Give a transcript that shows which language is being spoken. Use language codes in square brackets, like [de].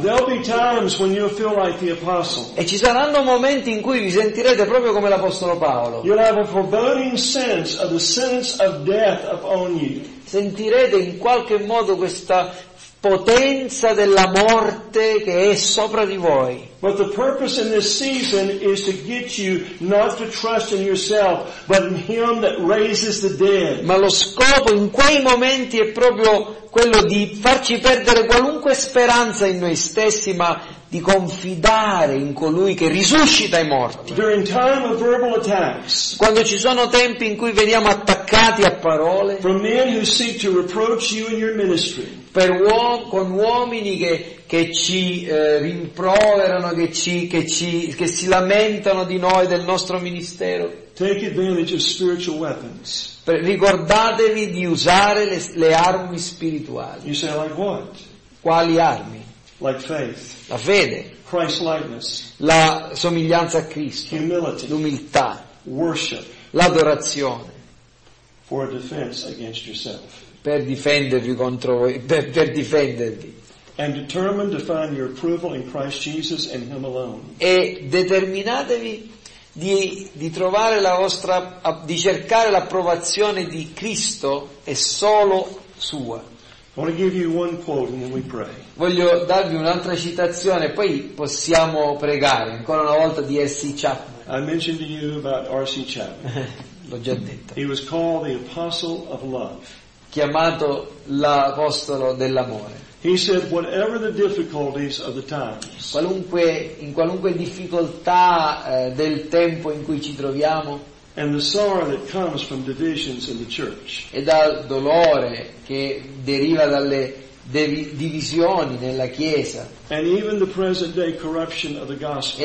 [en] There'll be times when you'll feel like the apostle. [it] E ci saranno momenti in cui vi sentirete proprio come l'apostolo Paolo. [en] You'll have a foreboding sense of the sentence of death upon you. [it] Sentirete in qualche modo questa potenza della morte che è sopra di voi. [en] But the purpose in this season is to get you not to trust in yourself, but in him that raises the dead. [it] Ma lo scopo in quei momenti è proprio quello di farci perdere qualunque speranza in noi stessi, ma di confidare in colui che risuscita i morti. [en] During time of verbal attacks, [it] quando ci sono tempi in cui veniamo attaccati a parole, [en] from men who seek to reproach you in your ministry, [it] con uomini che ci rimproverano, che si lamentano di noi, del nostro ministero. [en] Take advantage of spiritual weapons. [it] Ricordatevi di usare le armi spirituali. [en] You say, like what? [it] Quali armi? [en] Like faith. [it] La fede. [en] Christ-likeness. [it] La somiglianza a Cristo. [en] Humility. [it] L'umiltà. [en] Worship. [it] L'adorazione. [en] For a defense against yourself. [it] Per difendervi contro voi, per difendervi. [en] And determined to find your approval in Christ Jesus and him alone. [it] E determinatevi di trovare la vostra, di cercare l'approvazione di Cristo è solo sua. Voglio darvi un'altra citazione, poi possiamo pregare ancora una volta di R.C. Chapman. [en] I mentioned to you about R.C. Chapman. [it] L'ho già detto. [en] He was called the Apostle of Love. [it] Chiamato l'Apostolo dell'amore. [en] He said, whatever the difficulties of the times. [it] Qualunque, in qualunque difficoltà del tempo in cui ci troviamo. [en] And the sorrow that comes from divisions in the church. [it] E dal dolore che deriva dalle divisioni nella Chiesa. [en] And even the present day corruption of the gospel.